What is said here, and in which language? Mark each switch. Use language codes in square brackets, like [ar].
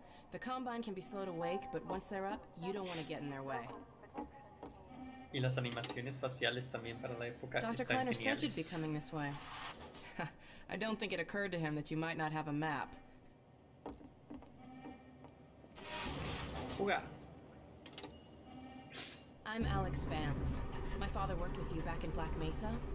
[en] The Combine can be slow to wake, but once they're up, you don't want to get in their way. [es] Y las animaciones faciales también para la época están geniales. [en] Dr. Kleiner said you'd be coming this way. I don't think it occurred to him that you might not have a map. [es] Fuga. [en] I'm Alex Vance. My father worked with you back in Black Mesa.